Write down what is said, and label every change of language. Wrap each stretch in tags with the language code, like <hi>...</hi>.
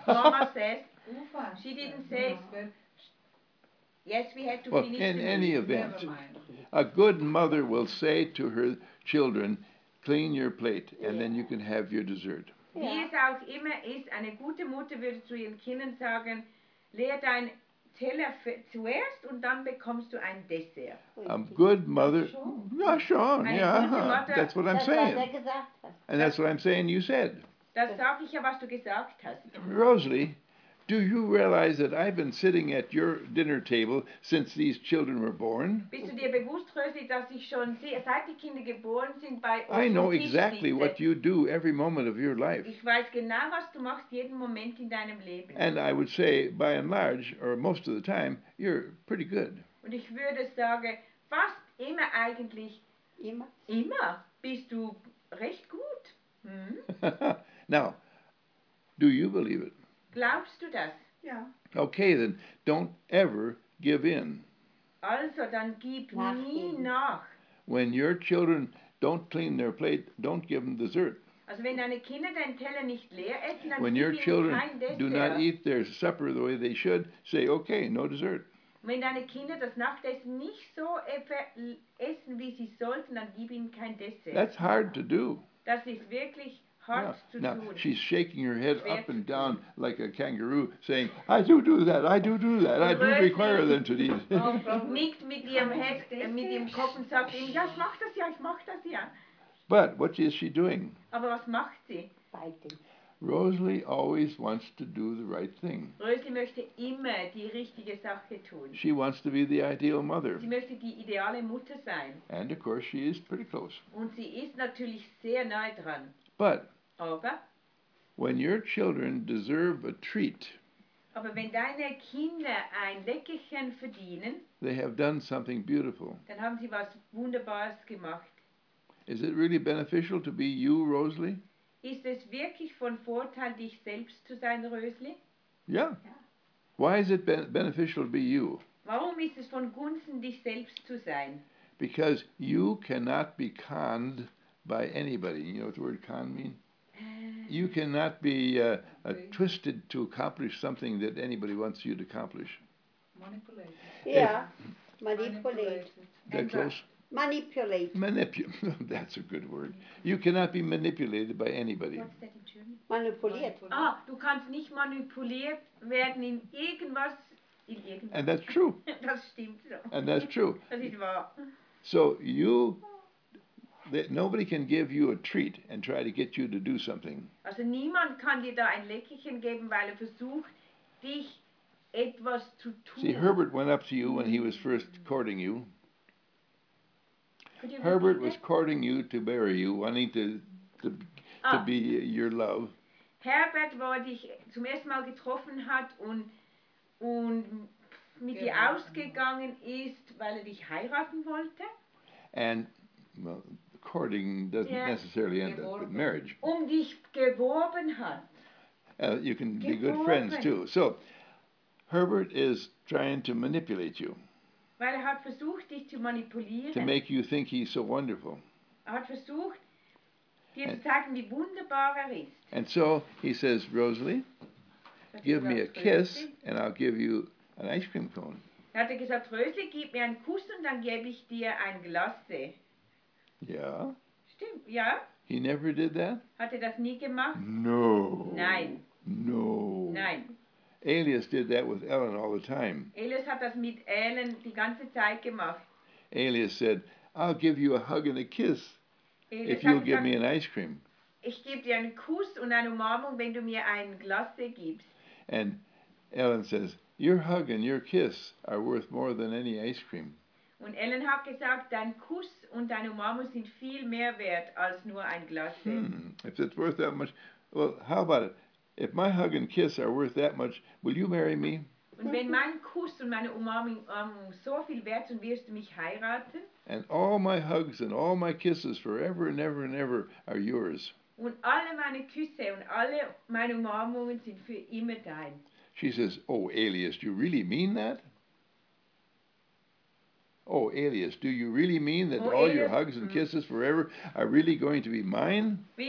<en>Mama says, she didn't say, yes, we had to well, finish in the any meal. Event, a good mother will say to her children, clean your plate, and then you can have your dessert. Yeah.</en> <de>Wie es auch immer ist, eine gute Mutter würde zu ihren Kindern sagen, leer dein Teller zuerst und dann bekommst du ein Dessert.</de> <en>A good mother,</en> <de>ja schon, ja,</de> <en>that's what I'm saying. And that's what I'm saying you said.</en> <de>Das sag ich ja, was du gesagt hast.</de> <en>Rosalie, do you realize that I've been sitting at your dinner table since these children were born?</en> <de>Bist du dir bewusst, Rosalie, dass ich schon seit die Kinder geboren sind bei uns?</de> <en>I know exactly what you do every moment of your life.</en> <de>Ich weiß genau, was du machst jeden Moment in deinem Leben.</de> <en>And I would say, by and large, or most of the time, you're pretty good.</en> <de>Und ich würde sagen, fast immer eigentlich. Immer? Immer bist du recht gut. Hm?</de> <en>Now, do you believe it?</en> <de>Glaubst du das? Ja.</de> <en>Okay, then don't ever give in.</en> <de>Also, dann gib nie nach.</de> <en>When your children don't clean their plate, don't give them dessert.</en> <de>Also, wenn deine Kinder deinen Teller nicht leer essen, dann gib ihnen kein</de> <en>Dessert. When your children do not eat their supper the way they should, say, okay, no dessert.</en> <de>Wenn deine Kinder das Nachtessen nicht so essen, wie sie sollten, dann gib ihnen kein Dessert.</de> <en>That's hard to do.</en> <de>Das ist wirklich hard</de> <en>now, to now do. She's shaking her head up and down like a kangaroo, saying, I do do that, I do do that, I do require them to eat.</en> <de>Nickt mit ihrem Head, mit ihrem Kopf und sagt ihm, ja, ich mach das ja, ich mach das ja.</de> <en>But what is she doing?</en> <de>Aber was macht sie?</de> <en>Rosalie always wants to do the right thing.</en> <de>Rosalie möchte immer die richtige Sache tun.</de> <en>She wants to be the ideal mother.</en> <de>Sie möchte die ideale Mutter sein.</de> <en>And of course she is pretty close.</en> <de>Und sie ist natürlich sehr nahe dran.</de> <en>But</en> <de>aber</de> <en>when your children deserve a treat,</en> <de>aber wenn deine Kinder ein Leckerchen verdienen,</de> <en>they have done something beautiful.</en> <de>Dann haben sie was Wunderbares gemacht.</de> <en>Is it really beneficial to be you, Rosalie?</en> <de>Ist es wirklich von Vorteil, dich selbst zu sein, Rosalie?</de> <en>Yeah. Why is it beneficial to be you?</en> <de>Warum ist es von Gunsten, dich selbst zu sein?</de> <en>Because you cannot be conned by anybody. You know what the word con mean? You cannot be twisted to accomplish something that anybody wants you to accomplish. Manipulated. Yeah. Manipulated. That close? Manipulate. That's a good word. You cannot be manipulated by anybody. What's that in German?</en> <de>Manipuliert. Ah, du kannst nicht manipuliert werden in irgendwas.</de> <en>And that's true.</en> <de>Das stimmt so.</de> <en>And that's true.</en> <de>Das ist wahr.</de> <en>So you, nobody can give you a treat and try to get you to do something.</en> <de>Also niemand kann dir da ein Leckerchen geben, weil versucht, dich etwas zu tun.</de> <en>See, Herbert went up to you when he was first courting you. Herbert was courting you to marry you, wanting to be your love.</en> <de>Herbert, wo er dich zum ersten Mal getroffen hat und mit dir ausgegangen ist, weil er dich heiraten wollte.</de> <en>And well, courting doesn't necessarily end up with marriage.</en> <de>Dich geworben hat.</de> <en>You can be good friends too. So, Herbert is trying to manipulate you.</en> <de>Weil hat versucht, dich zu manipulieren.</de> <en>To make you think he's so wonderful.</en> <de>Hat versucht, dir zu zeigen, wie wunderbar ist.</de> <en>And so he says, Rosalie, give me a kiss and I'll give you an ice cream cone.</en> <de>Er hat gesagt, Rosalie, gib mir einen Kuss und dann gebe ich dir ein Glace. Ja. Stimmt, ja.</de> <en>He never did that?</en> <de>Hat das nie gemacht?</de> <en>No.</en> <de>Nein.</de> <en>No.</en> <de>Nein.</de> <en>Elias did that with Ellen all the time.</en> <de>Elias hat das mit Ellen die ganze Zeit gemacht.</de> <en>Elias said, I'll give you a hug and a kiss</en> <de>Elias</de> <en>if you'll</en> <de>gesagt,</de> <en>give me an ice cream.</en> <de>Ich gebe dir einen Kuss und eine Umarmung, wenn du mir ein Glace gibst.</de> <en>And Ellen says, your hug and your kiss are worth more than any ice cream.</en> <de>Und Ellen hat gesagt, dein Kuss und deine Umarmung sind viel mehr wert als nur ein Glace.</de> <en>If it's worth that much, well, how about it? If my hug and kiss are worth that much, will you marry me?</en> <de>Und wenn mein Kuss und meine Umarmung so viel wert sind, wirst du mich heiraten?</de> <en>And all my hugs and all my kisses forever and ever are yours.</en> <de>Und alle meine Küsse und alle meine Umarmungen sind für immer dein.</de> <en>She says, "Oh, Elias, do you really mean that? Oh, Elias, do you really mean that all your hugs and kisses forever are really going to be mine?"</en>